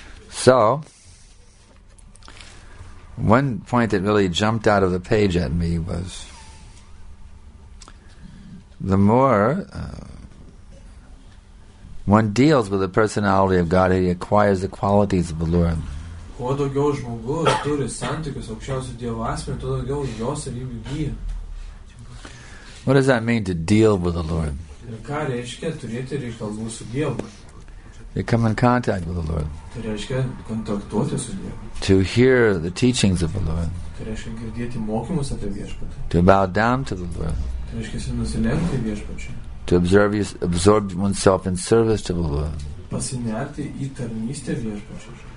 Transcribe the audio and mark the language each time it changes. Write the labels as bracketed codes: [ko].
[en] So, one point that really jumped out of the page at me was the more one deals with the personality of God, he acquires the qualities of the Lord. [lt] Kuo daugiau žmogus turi santykius su aukščiausiu Dievo asmeniu, tuo daugiau jo savybių įgyja. [en] What does that mean to deal with the Lord? [lt] Ir ką reiškia turėti reikalų su Dievu? [en] To come in contact with the Lord. [lt] Tai reiškia kontaktuoti su Dievu. [en] To hear the teachings of the Lord. [lt] Tai reiškia girdėti mokymus apie viešpatį. [en] To bow down to the Lord. [lt] Tai reiškia nusilenkti viešpačiui. [en] To absorb oneself in service to the Lord. [lt] Pasinerti į tarnystę viešpačiui.